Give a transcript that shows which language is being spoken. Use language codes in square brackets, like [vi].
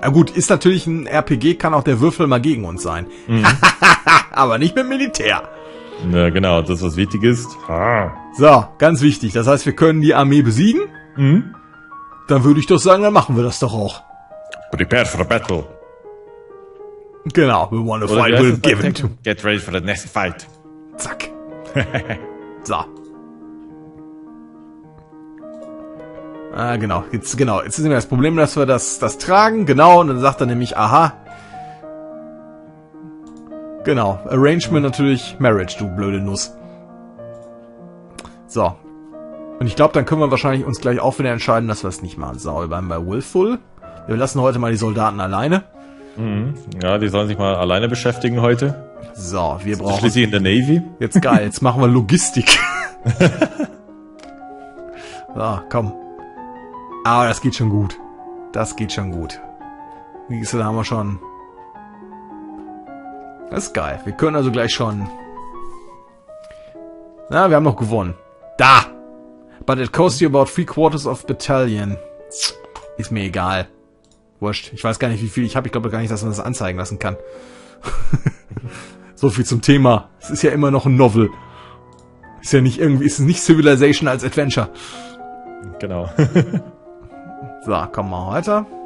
[de] Ja, gut, ist natürlich ein RPG, kann auch der Würfel mal gegen uns sein. Aber nicht mit Militär. Na genau, das ist was wichtig ist. Ha. So, ganz wichtig. Das heißt, wir können die Armee besiegen. Mhm. Dann würde ich doch sagen, dann machen wir das doch auch. [en] Prepare for the battle. [de] Genau, [en] we want a fight, we'll give it. Get ready for the next fight. [de] Zack. So. Ah, genau. Jetzt ist nämlich das Problem, dass wir das tragen. Genau, und dann sagt er nämlich, aha. Genau. Arrangement natürlich. Marriage, du blöde Nuss. So. Und ich glaube, dann können wir wahrscheinlich uns gleich auch wieder entscheiden, dass wir es nicht machen. So, wir bleiben bei Willful. Wir lassen heute mal die Soldaten alleine. Ja, die sollen sich mal alleine beschäftigen heute. So, wir brauchen... Schließlich in der Navy. Jetzt geil, jetzt machen wir Logistik. So, komm. Aber das geht schon gut. Das geht schon gut. Wie ist denn, da haben wir schon... Das ist geil. Wir können also gleich schon... Na, wir haben noch gewonnen. Da! [en] But it costs you about 3/4 of battalion. [de] Ist mir egal. Wurscht. Ich weiß gar nicht, wie viel ich habe. Ich glaube gar nicht, dass man das anzeigen lassen kann. So viel zum Thema. Es ist ja immer noch ein Novel. Ist ja nicht irgendwie... Ist es nicht Civilization als Adventure. Genau. So, komm mal weiter.